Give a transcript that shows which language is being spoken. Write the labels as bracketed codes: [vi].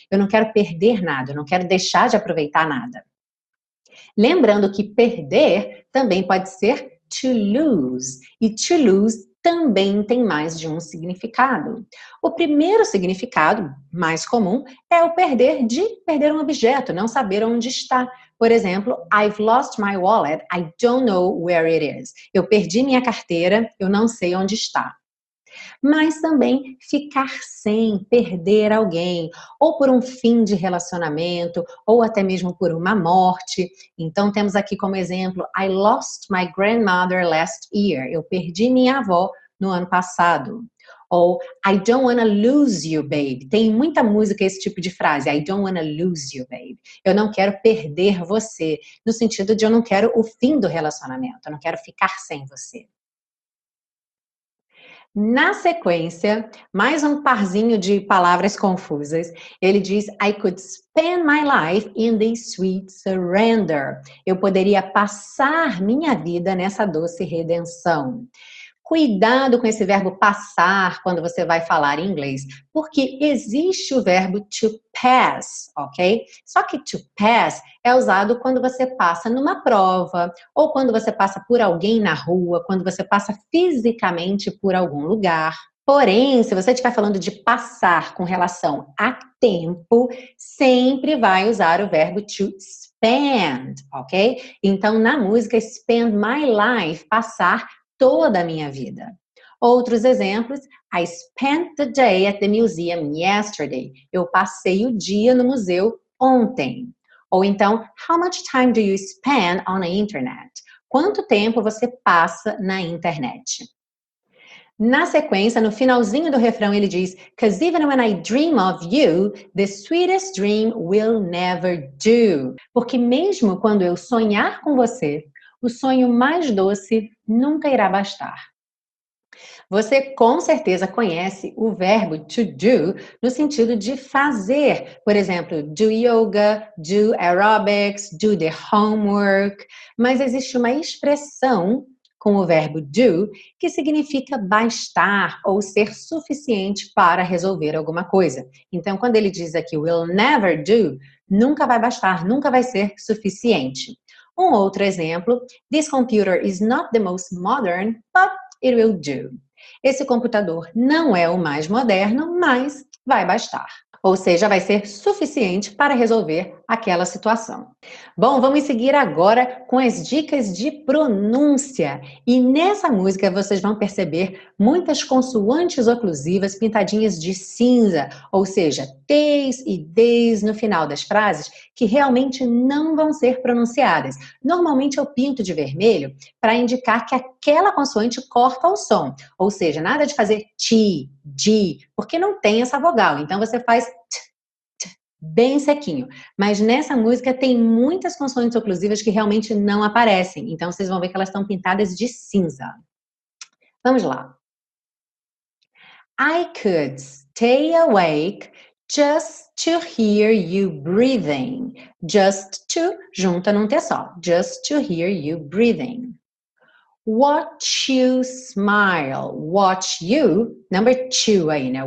[pt] Eu não quero perder nada, eu não quero deixar de aproveitar nada. Lembrando que perder também pode ser to lose. E to lose também tem mais de um significado. O primeiro significado, mais comum, é o perder de perder um objeto, não saber onde está. [en] Por exemplo, I've lost my wallet, I don't know where it is. [pt] Eu perdi minha carteira, eu não sei onde está. Mas também ficar sem, perder alguém, ou por um fim de relacionamento, ou até mesmo por uma morte. Então temos aqui como exemplo, [en] I lost my grandmother last year. [pt] Eu perdi minha avó no ano passado. [en] Ou I don't wanna lose you, babe. [pt] Tem muita música esse tipo de frase, [en] I don't wanna lose you, babe. [pt] Eu não quero perder você, no sentido de eu não quero o fim do relacionamento, eu não quero ficar sem você. Na sequência, mais um parzinho de palavras confusas. Ele diz, [en] I could spend my life in this sweet surrender. [pt] Eu poderia passar minha vida nessa doce redenção. Cuidado com esse verbo passar quando você vai falar em inglês. Porque existe o verbo to pass, ok? Só que to pass é usado quando você passa numa prova, ou quando você passa por alguém na rua, quando você passa fisicamente por algum lugar. Porém, se você estiver falando de passar com relação a tempo, sempre vai usar o verbo to spend, ok? Então, na música, [en] spend my life, [pt] passar toda a minha vida. Outros exemplos, [en] I spent the day at the museum yesterday. [pt] Eu passei o dia no museu ontem. Ou então, [en] how much time do you spend on the internet? [pt] Quanto tempo você passa na internet? Na sequência, no finalzinho do refrão, ele diz, [en] because even when I dream of you, the sweetest dream will never do. [pt] Porque mesmo quando eu sonhar com você, o sonho mais doce nunca irá bastar. Você com certeza conhece o verbo to do no sentido de fazer. Por exemplo, [en] do yoga, do aerobics, do the homework. [pt] Mas existe uma expressão com o verbo do que significa bastar ou ser suficiente para resolver alguma coisa. Então, quando ele diz aqui [en] will never do, [pt] nunca vai bastar, nunca vai ser suficiente. Um outro exemplo, [en] this computer is not the most modern, but it will do. [pt] Esse computador não é o mais moderno, mas vai bastar. Ou seja, vai ser suficiente para resolver aquela situação. Bom, vamos seguir agora com as dicas de pronúncia. E nessa música vocês vão perceber muitas consoantes oclusivas pintadinhas de cinza, ou seja, T's e D's no final das frases que realmente não vão ser pronunciadas. Normalmente eu pinto de vermelho para indicar que aquela consoante corta o som. Ou seja, nada de fazer ti, di, porque não tem essa vogal. Então você faz bem sequinho. Mas nessa música tem muitas consoantes oclusivas que realmente não aparecem. Então vocês vão ver que elas estão pintadas de cinza. Vamos lá. [en] I could stay awake just to hear you breathing. Just to, [pt] junta num T só. [en] Just to hear you breathing. Watch you smile. Watch you, number two [pt] aí, né?